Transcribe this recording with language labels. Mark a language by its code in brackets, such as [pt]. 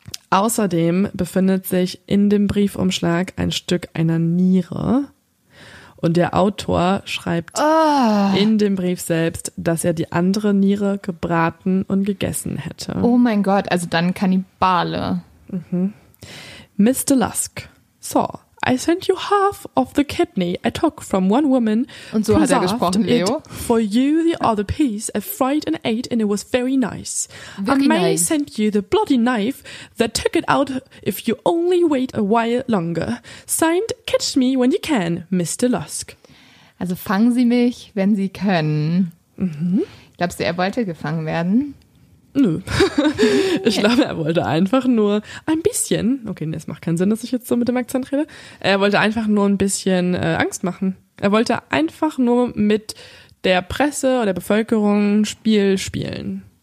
[de] Außerdem befindet sich in dem Briefumschlag ein Stück einer Niere und der Autor schreibt in dem Brief selbst, dass er die andere Niere gebraten und gegessen hätte. Oh mein Gott, also dann Kannibale. [en] Mr. Lusk, so, I sent you half of the kidney I took from one woman. [de] Und so hat er gesprochen, Leo. [en] For you the other piece, I fried and ate and it was very nice. Very I may nice. Send you the bloody knife that took it out if you only wait a while longer. Signed, catch me when you can, Mr. Lusk. [de] Also fangen Sie mich, wenn Sie können. Mhm. Glaubst du, er wollte gefangen werden? Nö. Ich glaube, er wollte einfach nur ein bisschen, okay, nee, es macht keinen Sinn, dass ich jetzt so mit dem Akzent rede, er wollte einfach nur ein bisschen Angst machen. Er wollte einfach nur mit der Presse oder der Bevölkerung ein Spiel spielen.